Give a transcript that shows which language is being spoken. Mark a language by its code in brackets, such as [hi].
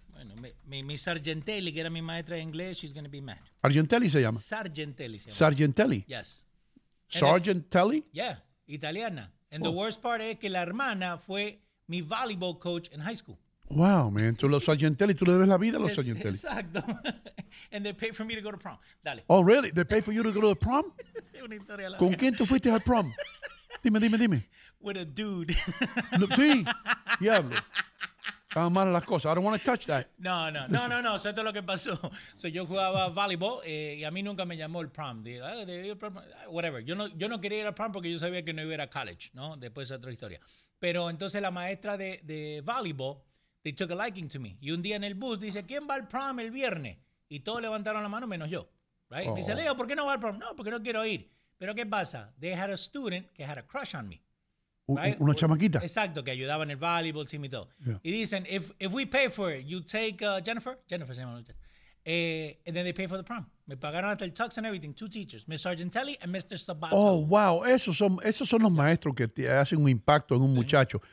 [es] Bueno, mi Sargentelli, que era mi maestra de inglés, [en] she's going to be mad. [es] ¿Argentelli se llama? Sargentelli se llama. ¿Sargentelli? [en] Yes. [es] ¿Sargentelli? Yeah, italiana. [en] And the worst part [es] es que la hermana fue mi volleyball coach en high school. [en] Wow, man. [es] Tú los Sargentelli, tú le debes la vida a los Sargentelli. Exacto. [en] And they paid for me to go to prom. [es] Dale. [en] Oh, really? They paid for you to go to the prom? [es] Una historia larga. ¿Con quién tú fuiste al prom? Dime. [en] With a dude. [es] No, sí. Diablo. Estaban mal las cosas. [en] I don't want to touch that. [es] No. Eso es lo que pasó. So yo jugaba volleyball y a mí nunca me llamó el prom. Whatever. Yo no quería ir al prom porque yo sabía que no iba a ir a college, ¿no? Después es otra historia. Pero entonces la maestra de volleyball, [en] they took a liking to me. [es] Y un día en el bus dice, ¿quién va al prom el viernes? Y todos levantaron la mano menos yo. Right? Oh. Dice, Leo, ¿por qué no va al prom? No, porque no quiero ir. Pero ¿qué pasa? [en] They had a student que had a crush on me. [es] Right? Una chamaquita. Exacto, que ayudaba en el volleyball team y todo. [en] Yeah. [es] Y dicen, [en] if we pay for it, you take Jennifer. [es] Jennifer se llama. [en] And then they pay for the prom. [es] Me pagaron hasta el tux [en] and everything. Two teachers, Miss Argentelli and Mr. Sabato. Oh, wow. [es] Esos son los maestros que te hacen un impacto en un muchacho.